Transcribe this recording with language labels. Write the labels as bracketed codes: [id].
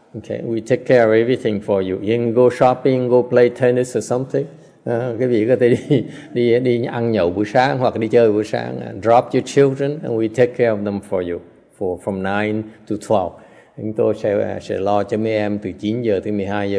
[en] Okay, we take care of everything for you. You can go shopping, go play tennis or something. [vi] Quý vị có thể đi ăn nhậu buổi sáng hoặc đi chơi buổi sáng. [en] Drop your children and we take care of them for you from 9 to 12. [vi] Chúng tôi sẽ lo cho mấy em từ 9 giờ tới 12 giờ.